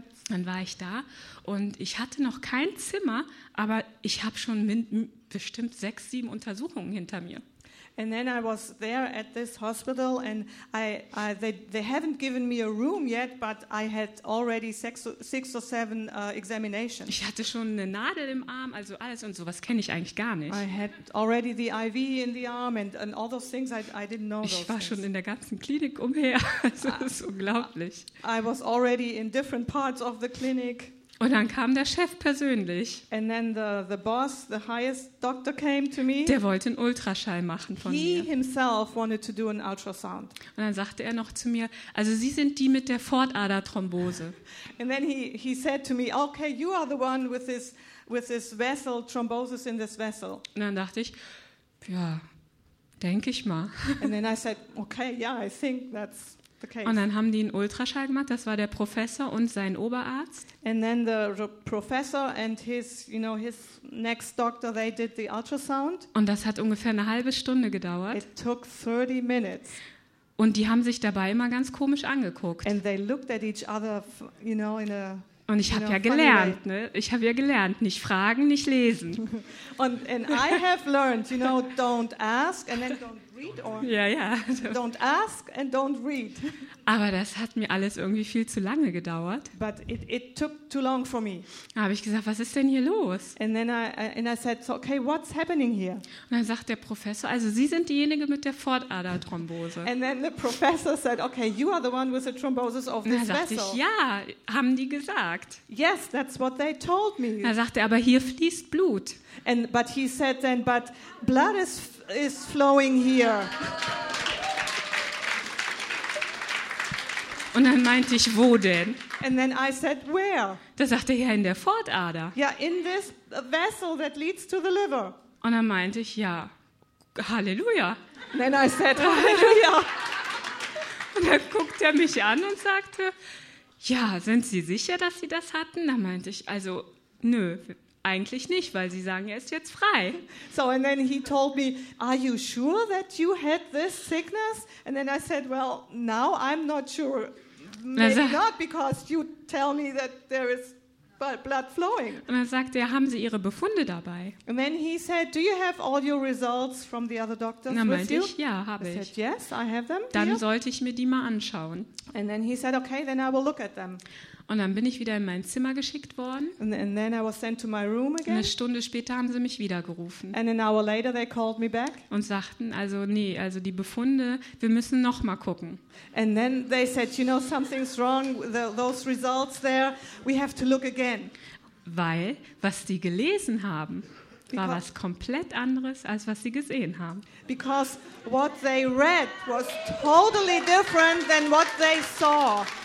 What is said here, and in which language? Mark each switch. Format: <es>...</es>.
<de>Dann war ich da und ich hatte noch kein Zimmer, aber ich habe schon bestimmt 6-7 Untersuchungen hinter mir.</de> <en>And then I was there at this hospital and they haven't given me a room yet, but I had already 6 or 7 examinations.</en> <de>Ich hatte schon eine Nadel im Arm, also alles und sowas kenne ich eigentlich gar nicht.</de> <en>I had already the IV in the arm and all those things I didn't know.</en> <de>Ich</de> <en>those</en> <de>war</de> <en>things.</en> <de>Schon in der ganzen Klinik umher, also das ist unglaublich.</de> <en>I was already in different parts of the clinic.</en> <de>Und dann kam der Chef persönlich.</de> <en>And then the boss, the highest doctor came to me.</en> <de>Der wollte einen Ultraschall machen von</de> <en>He</en> <de>mir.</de> <en>He himself wanted to do an ultrasound.</en> <de>Und dann sagte er noch zu mir, also Sie sind die mit der Pfortaderthrombose.</de> <en>And then he said to me, okay, you are the one with this vessel, thrombosis in this vessel.</en> <de>Und dann dachte ich, ja, denke ich mal.</de> <en>And then I said, okay, yeah, I think that's</en> <de>Und dann haben die einen Ultraschall gemacht, das war der Professor und sein Oberarzt.</de> <en>And then the professor and his, you know, his next doctor, they did the ultrasound.</en> <de>Und das hat ungefähr eine halbe Stunde gedauert.</de> <en>It took 30 minutes.</en> <de>Und die haben sich dabei immer ganz komisch angeguckt.</de> <en>And they looked at each other, you know, in a</en> <de>Und ich habe ja gelernt, ne? Ich habe ja gelernt, nicht fragen, nicht lesen.</de> <en>And I have learned, you know, don't ask and then don't read or yeah, yeah. Don't ask and don't read.</en> <de>Aber das hat mir alles irgendwie viel zu lange gedauert.</de> <en>But it took too long for me.</en> <de>Da habe ich gesagt, was ist denn hier los?</de> <en>And then I said, so, okay, what's happening here?</en> <de>Und dann sagt der Professor, also Sie sind diejenige mit der Pfortaderthrombose.</de> <en>And then the professor said, okay, you are the one with the thrombosis of this vessel.</en> <de>Dann sagte ich, ja, haben die gesagt.</de> <en>Yes, that's what they told me.</en> <de>Dann sagt er, aber hier fließt Blut.</de> <en>But he said then, but blood is flowing here.</en> <de>Und dann meinte ich, wo denn?</de> <en>And then I said, where?</en> <de>Da sagte er, in der Fortader.</de> <en>Yeah, in this vessel that leads to the liver.</en> <de>Und dann meinte ich, ja, Halleluja.</de> <en>And then I said, Halleluja.</en> <de>Und dann guckt er mich an und sagte, ja, sind Sie sicher, dass Sie das hatten? Dann meinte ich, also, nö, eigentlich nicht, weil Sie sagen, er ist jetzt frei.</de> <en>So, and then he told me, are you sure that you had this sickness? And then I said, well, now I'm not sure. Maybe not, because you tell me that there is blood flowing.</en> <de>Und dann sagte er, haben Sie Ihre Befunde dabei?</de> <en>And then he said, do you have all your results from the other doctors with</en> <de>Dann meinte ich, ja, habe ich.</de> <en>I said, yes, I have them.</en> <de>Dann sollte ich mir die mal anschauen.</de> <en>And then he said, okay, then I will look at them.</en> <de>Und dann bin ich wieder in mein Zimmer geschickt worden.</de> <en>And then I was sent to my room again.</en> <de>Eine Stunde später haben sie mich wieder gerufen.</de> <en>And an hour later they called me back.</en> <de>Und sagten, also nee, also die Befunde, wir müssen noch mal gucken.</de> <en>And then they said, you know, something's wrong with those results there. We have to look again.</en> <de>Weil, was sie gelesen haben, war was komplett anderes, als was sie gesehen haben.</de> <en>Because what they read was totally different than what they saw.</en>